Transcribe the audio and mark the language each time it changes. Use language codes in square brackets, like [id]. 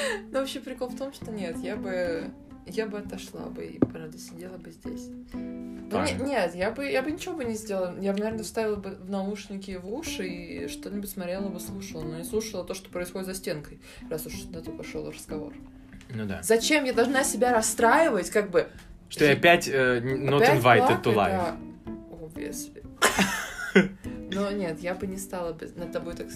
[ru] Но вообще прикол в том, что нет, я бы... Я бы отошла бы и, правда, сидела бы здесь. Да. Нет, я бы ничего бы не сделала. Я бы, наверное, вставила бы в наушники в уши и что-нибудь смотрела бы, слушала. Но не слушала то, что происходит за стенкой, раз уж на то пошел разговор. Ну да. Зачем я должна себя расстраивать, как бы... Что я опять [en] not invited to life. [ru] Да. [en] Obviously. [ru] Но нет, я бы не стала бы над тобой так...